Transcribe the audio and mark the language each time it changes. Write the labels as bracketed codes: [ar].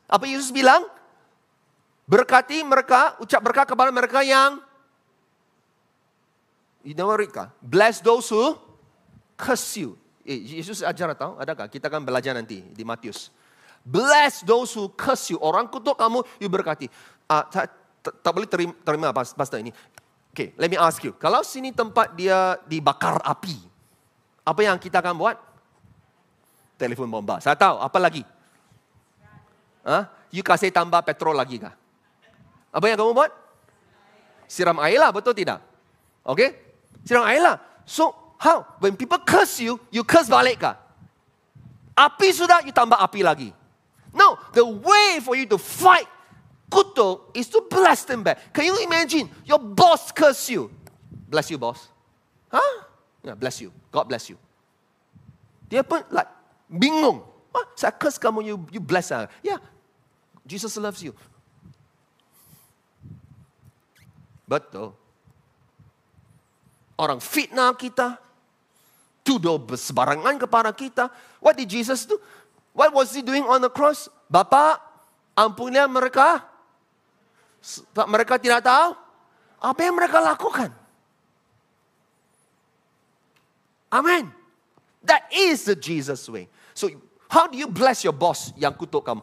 [ms] Apa Yesus bilang? Berkati mereka, ucap berkat kepada mereka yang [en] bless those who curse you. [ms] Yesus ajar tahu, adakah? Kita akan belajar nanti di Matius. [en] Bless those who curse you. [ms] Orang kutuk kamu, you berkati. Tak boleh terima pasta ini. [en] Okay, let me ask you. [ms] Kalau sini tempat dia dibakar api, apa yang kita akan buat? Telefon bomba. Saya tahu, apa lagi? You kasih tambah petrol lagi kah? Apa yang kamu buat? Siram air lah, betul tidak? Okay? Siram air lah. [en] So, how? When people curse you, you curse balik kah? [ms] Api sudah, you tambah api lagi. [en] No, the way for you to fight kutuk is to bless them back. Can you imagine? Your boss curse you. Bless you, boss. Huh? Yeah, bless you. God bless you. [ms] Dia pun like bingung. [en] Saya curse kamu, you bless her. Yeah. Jesus loves you. [ms] Betul. Orang fitnah kita. Tuduh sebarangan kepada kita. [en] What did Jesus do? What was he doing on the cross? [ms] Bapa, ampunilah mereka. Sebab mereka tidak tahu apa yang mereka lakukan. [en] Amen. That is the Jesus way. So, how do you bless your boss [ms] yang kutuk kamu?